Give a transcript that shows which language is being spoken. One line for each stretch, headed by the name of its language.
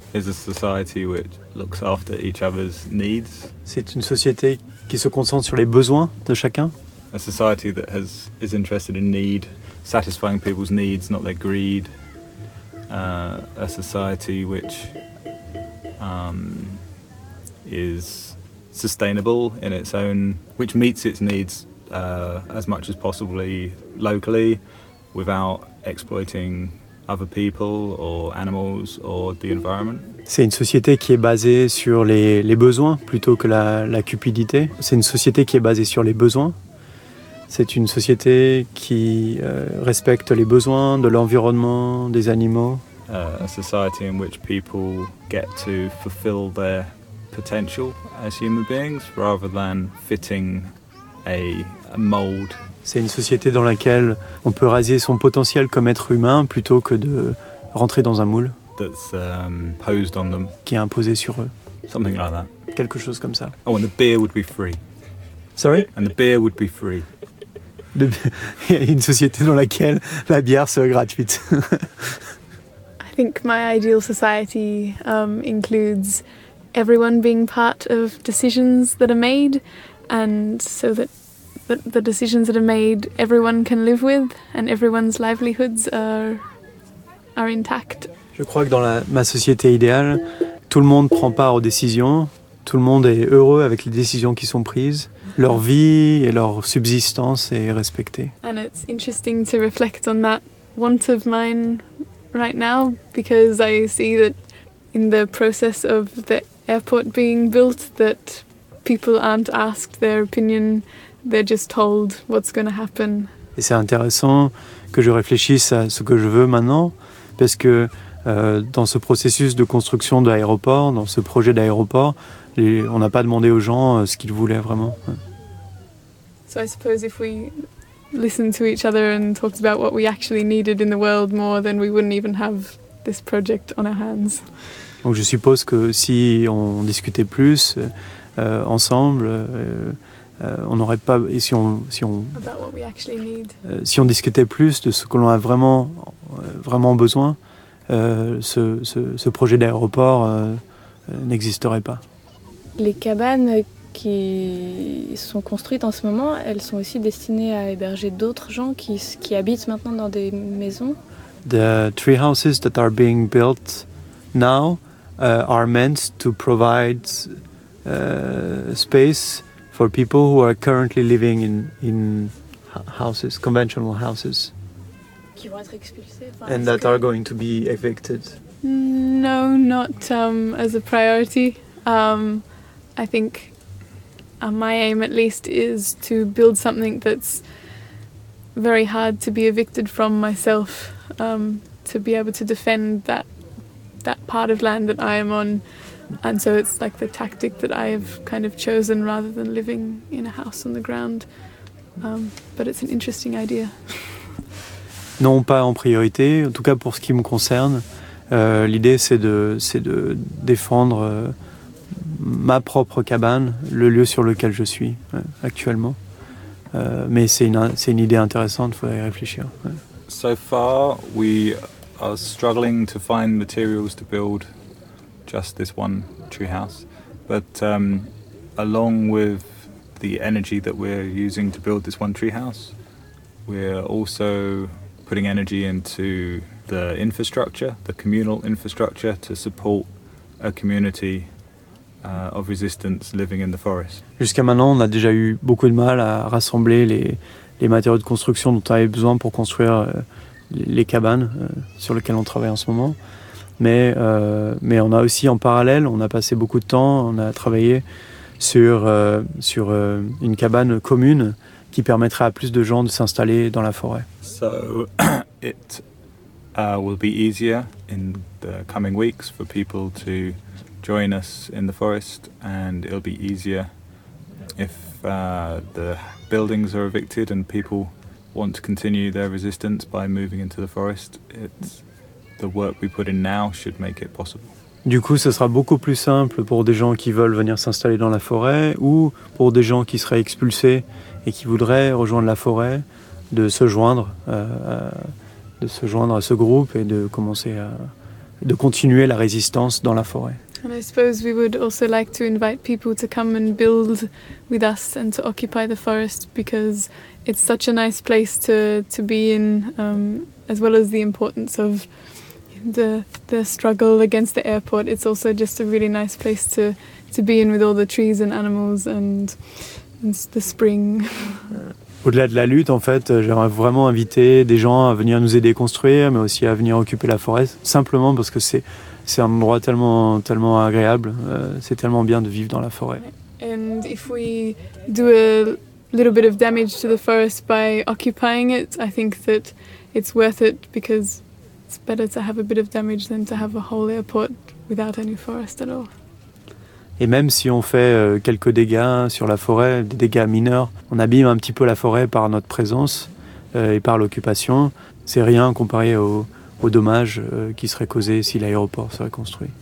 English: Is a society which looks after each other's needs.
French: C'est une société qui se concentre sur les besoins de chacun.
English: A society that is interested in need, satisfying people's needs, not their greed. A society which is sustainable in its own, which meets its needs as much as possibly locally, without exploiting other people or animals or the environment.
French: C'est une société qui est basée sur les besoins plutôt que la cupidité. C'est une société qui est basée sur les besoins. C'est une société qui respecte les besoins de l'environnement, des animaux.
English: A society in which people get to fulfill their potential as human beings rather than fitting a mold.
French: C'est une société dans laquelle on peut réaliser son potentiel comme être humain plutôt que de rentrer dans un moule.
English: That's posed on them.
French: Qui est imposé sur eux.
English: Something like that.
French: Quelque chose comme ça.
English: Oh, and the beer would be free. Sorry? And the beer would be free.
French: Une société dans laquelle la bière serait gratuite.
English: I think my ideal society includes everyone being part of decisions that are made, and so that the decisions that are made everyone can live with, and everyone's livelihoods are intact.
French: Je crois que dans ma société idéale, tout le monde prend part aux décisions, tout le monde est heureux avec les décisions qui sont prises, leur vie et leur subsistance est respectée.
English: And it's interesting to reflect on that want of mine right now, because I see that in the process of the airport being built, that people aren't asked their opinion, they're just told what's going to happen.
French: Et c'est intéressant que je réfléchisse à ce que je veux maintenant, parce que dans ce processus de construction de l'aéroport, dans ce projet d'aéroport, on n'a pas demandé aux gens ce qu'ils voulaient vraiment.
English: So I suppose if we listened to each other and talked about what we actually needed in the world more, then we wouldn't even have this project on our hands.
French: Donc je suppose que si on discutait plus ensemble, on n'aurait pas. Et si on
English: about what we actually need.
French: Si on discutait plus de ce que l'on a vraiment, vraiment besoin, ce projet d'aéroport n'existerait pas. Les cabanes qui sont construites en ce moment, elles sont aussi destinées à héberger d'autres gens qui habitent maintenant dans des maisons.
English: The tree houses that are being built now are meant to provide space for people who are currently living in houses, conventional houses.
French: Qui vont être expulsés.
English: And that are going to be evicted. No, not as a priority. I think my aim at least is to build something that's very hard to be evicted from myself, to be able to defend that part of land that I am on. And so it's like the tactic that I have kind of chosen rather than living in a house on the ground. But it's an interesting idea.
French: Non, pas en priorité, en tout cas pour ce qui me concerne. L'idée c'est de défendre ma propre cabane, le lieu sur lequel je suis actuellement. Mais c'est une idée intéressante, il faudrait y réfléchir. Ouais.
English: So far, we are struggling to find materials to build just this one tree house. But along with the energy that we're using to build this one tree house, we're also putting energy into the infrastructure, the communal infrastructure, to support a community of resistance living in the forest.
French: Jusqu'à maintenant, on a déjà eu beaucoup de mal à rassembler les matériaux de construction dont on avait besoin pour construire les cabanes sur lesquelles on travaille en ce moment. Mais on a aussi en parallèle, on a passé beaucoup de temps, on a travaillé sur une cabane commune qui permettrait à plus de gens de s'installer dans la forêt.
English: So it will be easier in the coming weeks for people to join us in the forest, and it'll be easier if the buildings are evicted and people want to continue their resistance by moving into the forest. It's the work we put in now should make it possible.
French: Du coup, ce sera beaucoup plus simple pour des gens qui veulent venir s'installer dans la forêt ou pour des gens qui seraient expulsés et qui voudraient rejoindre la forêt de se joindre à ce groupe et de continuer la résistance dans la forêt.
English: And I suppose we would also like to invite people to come and build with us and to occupy the forest because it's such a nice place to be in, as well as the importance of the struggle against the airport. It's also just a really nice place to be in with all the trees and animals and the spring.
French: Au-delà de la lutte, en fait, j'aimerais vraiment inviter des gens à venir nous aider construire, mais aussi à venir occuper la forêt, simplement parce que c'est un endroit tellement agréable. C'est tellement bien de vivre dans la forêt.
English: And if we do a little bit of damage to the forest by occupying it, I think that it's worth it because it's better to have a bit of damage than to have a whole airport without any forest at all.
French: Et même si on fait quelques dégâts sur la forêt, des dégâts mineurs, on abîme un petit peu la forêt par notre présence et par l'occupation. C'est rien comparé aux dommages qui seraient causés si l'aéroport serait construit.